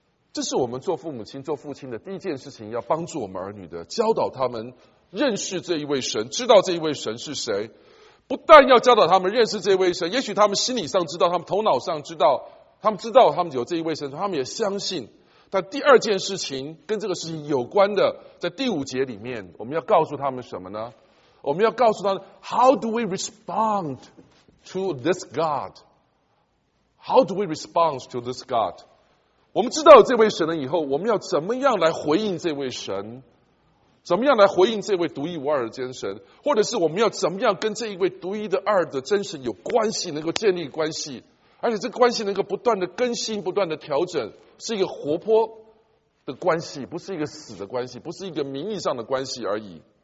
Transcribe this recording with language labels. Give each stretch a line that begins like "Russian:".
Chinese: 这是我们做父母亲做父亲的第一件事情，要帮助我们儿女的，教导他们认识这一位神，知道这一位神是谁。不但要教导他们认识这位神，也许他们心理上知道，他们头脑上知道，他们知道他们有这一位神，他们也相信。但第二件事情跟这个事情有关的，在第五节里面我们要告诉他们什么呢？我们要告诉他们
English: How do we respond to this God? How do we respond to this God?
Chinese: 我们知道这位神了以后，我们要怎么样来回应这位神，怎么样来回应这位独一无二的真神，或者是我们要怎么样跟这一位独一的二的真神有关系，能够建立关系，而且这关系能够不断的更新，不断的调整，是一个活泼的关系，不是一个死的关系，不是一个名义上的关系而已。